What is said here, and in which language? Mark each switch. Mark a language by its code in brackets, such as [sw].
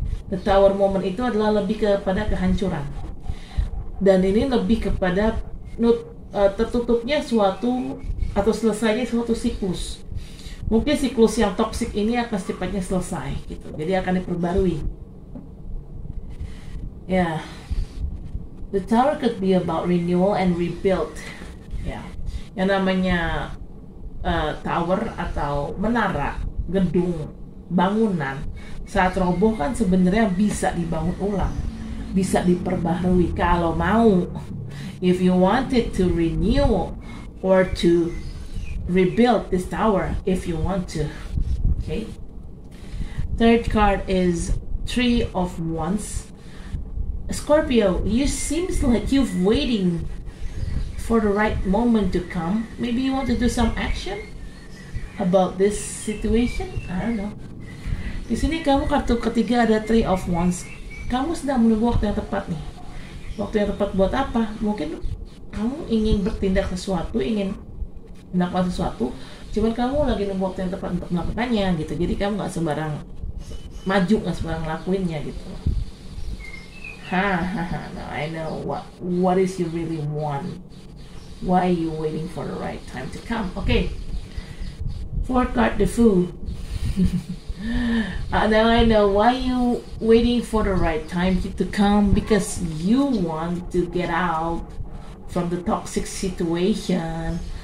[en] The tower moment [id] itu adalah lebih kepada kehancuran. Dan ini lebih kepada tertutupnya suatu atau selesainya suatu siklus. Mungkin siklus yang toksik ini akan secepatnya selesai gitu. Jadi akan diperbarui. Ya. Yeah. [en] The tower could be about renewal and rebuild. Ya. Yeah. [id] Yang namanya tower atau menara, gedung, bangunan saat roboh kan sebenarnya bisa dibangun ulang, bisa diperbaharui kalau mau. [en] If you wanted to renew or to rebuild this tower, if you want to. Okay. Third card is Three of Wands. Scorpio, you seems like you've waiting for the right moment to come. Maybe you want to do some action about this situation. I don't know. [id] Di sini kamu kartu ketiga ada Three of Wands. Kamu sedang menunggu waktu yang tepat nih. Waktu yang tepat buat apa? Mungkin kamu ingin bertindak sesuatu, ingin melakukan sesuatu, cuman kamu lagi nunggu waktu yang tepat untuk melakukannya gitu. Jadi kamu nggak sembarang maju, nggak sembarang ngelakuinnya gitu. [en] Now I know what is you really want. Why you waiting for the right time to come? Okay. Fourth card, the Fool. Now I know why you waiting for the right time to come, because you want to get out from the toxic situation.